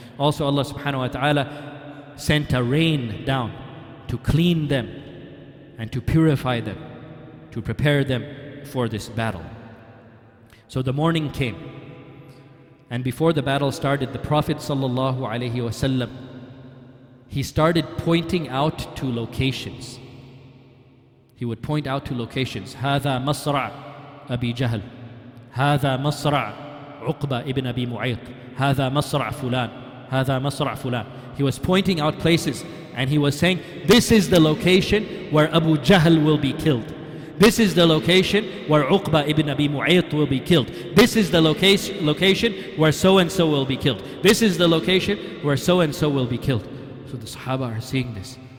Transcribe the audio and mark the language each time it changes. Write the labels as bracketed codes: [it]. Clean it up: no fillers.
[en] Also Allah subhanahu wa ta'ala sent a rain down to clean them and to purify them, to prepare them for this battle. So the morning came, and before the battle started, the Prophet sallallahu alayhi wa sallam, he started pointing out to locations. He would point out to locations. [ar] هذا مصرع أبي جهل. هذا مصرع عقبة ابن أبي معيط. هذا مصرع فلان. هذا مصرع فلان. [en] He was pointing out places and he was saying, this is the location where Abu Jahl will be killed. This is the location where Uqba ibn Abi Mu'ayt will be killed. This is the location where so-and-so will be killed. This is the location where so-and-so will be killed. So the Sahaba are seeing this.